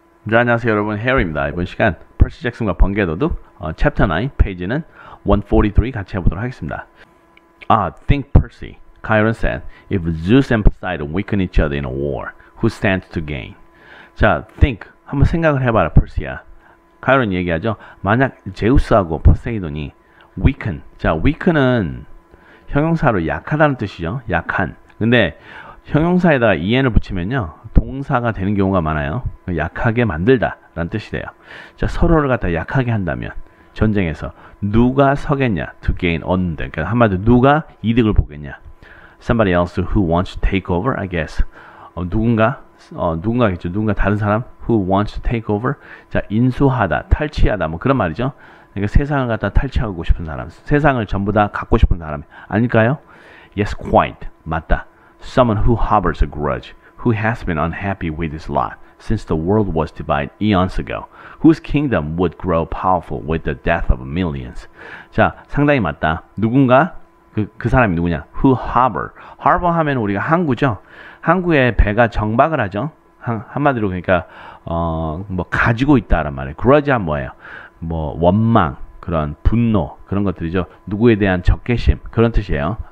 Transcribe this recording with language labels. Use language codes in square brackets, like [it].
[ko] 자, 안녕하세요 여러분, 해리입니다. 이번 시간 퍼시 잭슨과 번개 도둑 챕터 9 페이지는 143 같이 해보도록 하겠습니다. [en] Think Percy. Chiron said, if Zeus and Poseidon weaken each other in a war, who stands to gain? [ko] 자, think. 한번 생각을 해봐라, 퍼시야. 카이론 얘기하죠. 만약 제우스하고 포세이돈이 weaken. 자, weaken은 형용사로 약하다는 뜻이죠. 약한. 근데 형용사에다가 en을 붙이면요, 동사가 되는 경우가 많아요. 약하게 만들다 라는 뜻이 돼요. 자, 서로를 갖다 약하게 한다면 전쟁에서 누가 서겠냐, [en] to gain, [ko] 얻는데, 그러니까 한마디로 누가 이득을 보겠냐, [en] somebody else who wants to take over, I guess. [ko] 누군가겠죠. 누군가 다른 사람, [en] who wants to take over. [ko] 자, 인수하다, 탈취하다, 뭐 그런 말이죠. 그러니까 세상을 갖다 탈취하고 싶은 사람, 세상을 전부 다 갖고 싶은 사람 아닐까요? [en] Yes, quite. [ko] 맞다. [en] Someone who harbors a grudge, who has been unhappy with his lot since the world was divided eons ago, whose kingdom would grow powerful with the death of millions. [ko] 자, 상당히 맞다. 누군가, 그 사람이 누구냐? [en] Who harbor. [ko] Harbor 하면 우리가 항구죠. 항구에 배가 정박을 하죠. 한마디로 그러니까 뭐 가지고 있다란 말이에요. Grudge 한 뭐예요? 뭐 원망, 그런 분노, 그런 것들이죠. 누구에 대한 적개심, 그런 뜻이에요.